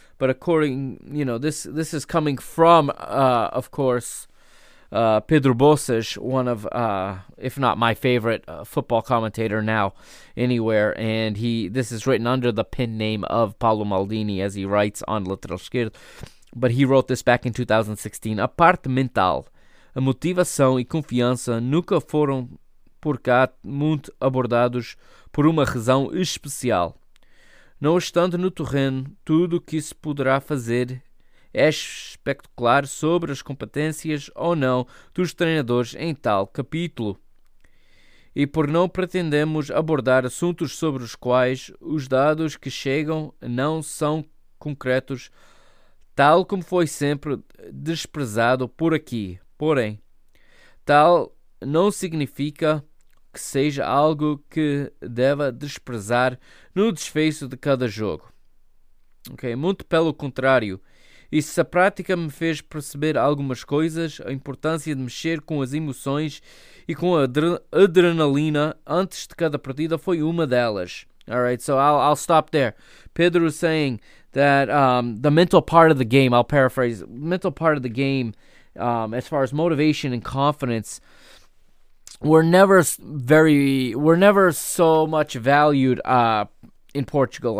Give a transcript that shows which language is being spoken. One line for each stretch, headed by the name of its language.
English: But according, you know, this is coming from, of course, Pedro Bosich, one of, if not my favorite football commentator now anywhere. And this is written under the pen name of Paolo Maldini, as he writes on Lateral Schiert. But he wrote this back in 2016.
Portuguese: A parte mental, a motivação e confiança nunca foram por cá muito abordados por uma razão especial. Não estando no terreno, tudo o que se poderá fazer é especular sobre as competências ou não dos treinadores em tal capítulo. E por não pretendemos abordar assuntos sobre os quais os dados que chegam não são concretos, tal como foi sempre desprezado por aqui. Porém, tal não significa que seja algo que deva desprezar no desfecho de cada jogo. Okay? Muito pelo contrário. E se a prática me fez perceber algumas coisas, a importância de mexer com as emoções e com a adrenalina antes de cada partida foi uma delas.
English: All right, so I'll stop there. Pedro is saying that the mental part of the game, I'll paraphrase, mental part of the game, as far as motivation and confidence, were never so much valued in Portugal.